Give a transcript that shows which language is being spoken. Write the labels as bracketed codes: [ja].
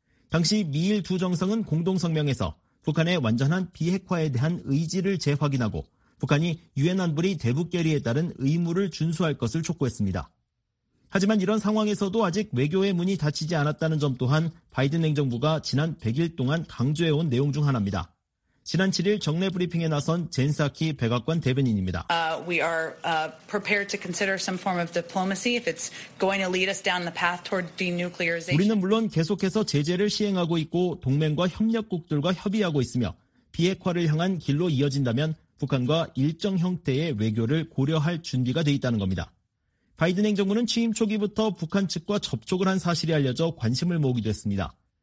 [ko] 당시 미일 두 정상은 공동 성명에서 북한의 완전한 비핵화에 대한 의지를 재확인하고 북한이 유엔 안보리 대북 결의에 따른 의무를 준수할 것을 촉구했습니다. 하지만 이런 상황에서도 아직 외교의 문이 닫히지 않았다는 점 또한 바이든 행정부가 지난 100일 동안 강조해온 내용 중 하나입니다. 지난 7일 정례 브리핑에 나선 젠 사키 백악관 대변인입니다. [en] We are prepared to consider some form of diplomacy if it's going to lead us down the path toward denuclearization. [ko] 우리는 물론 계속해서 제재를 시행하고 있고 동맹과 협력국들과 협의하고 있으며 비핵화를 향한 길로 이어진다면 북한과 일정 형태의 외교를 고려할 준비가 돼 있다는 겁니다. 바이든 행정부는 취임 초기부터 북한 측과 접촉을 한 사실이 알려져 관심을 모으기도 했습니다.